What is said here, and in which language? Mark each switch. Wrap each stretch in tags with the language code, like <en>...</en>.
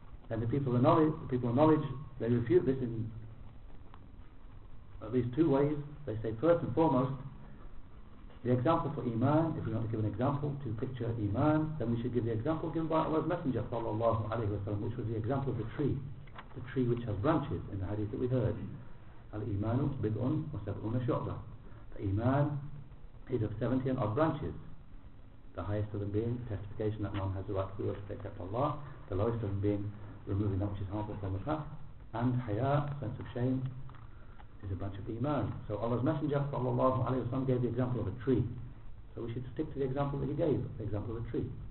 <en>And the people of knowledge, they refute this in at least two ways. They say, first and foremost, the example for iman, if we want to give an example to picture iman, then we should give the example given by Allah's Messenger sallallahu alayhi wa sallam, which was the example of the tree which has branches in the hadith that we heard,</en> <ar>الإيمان بضع وسبعون شعبة.</ar> <en>The iman is of 70 odd branches. The highest of them being testification that man has the right to worship except Allah. The lowest of them being removing that which is harmful from the path. And haya, sense of shame, is a branch of iman. So Allah's Messenger sallallahu alayhi wa sallam gave the example of a tree. So we should stick to the example that he gave, the example of a tree.</en>